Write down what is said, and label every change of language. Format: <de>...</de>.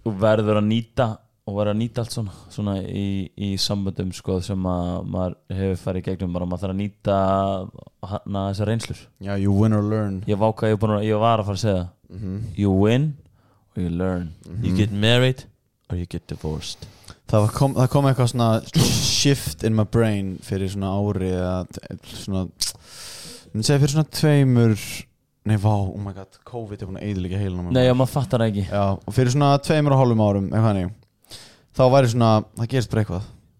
<is>Þú verður að nýta og verður að nýta allt svona svona í sambandum sko sem að maður hefur farið gegnum bara maður þarf að nýta hana þessar reynslur</is> <en>Já, you win or learn</en> <is>Ég váka, ég var að fara að segja</is> <en>You win or you learn You get married or you get divorced</en> <is>Það kom eitthvað svona</is> <en>shift in my brain</en> <is>fyrir svona ári að svona Það segja fyrir svona tveimur Nei, vá,</is> <en>oh my god,</en> <is>COVID búin að eyðileggja heilina Nei, já, maður fattar ekki Já, og fyrir svona tveimur og hálfum árum Þá væri svona, það gerist bara eitthvað</is>